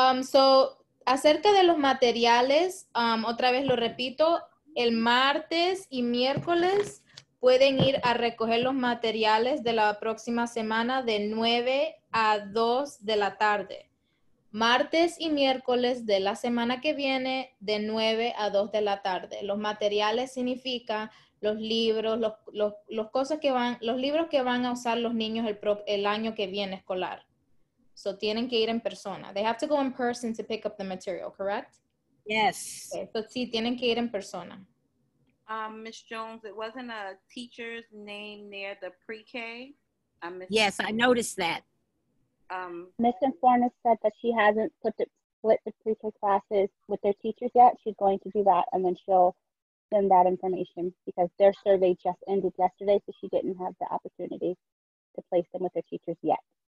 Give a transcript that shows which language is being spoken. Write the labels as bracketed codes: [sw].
[es] So, acerca de los materiales, otra vez lo repito, el martes y miércoles pueden ir a recoger los materiales de la próxima semana de 9 a 2 de la tarde. Martes y miércoles de la semana que viene de 9 a 2 de la tarde. Los materiales significa los libros, los libros que van a usar los niños el año que viene escolar. So tienen que ir en persona. [en] They have to go in person to pick up the material, correct? Yes. [es] Okay, so sí, tienen que ir en persona. [en] Ms. Jones, it wasn't a teacher's name near the pre-K. Yes, I noticed that. Ms. Inforna said that she hasn't split the pre-K classes with their teachers yet. She's going to do that, and then she'll send that information because their survey just ended yesterday, so she didn't have the opportunity to place them with their teachers yet.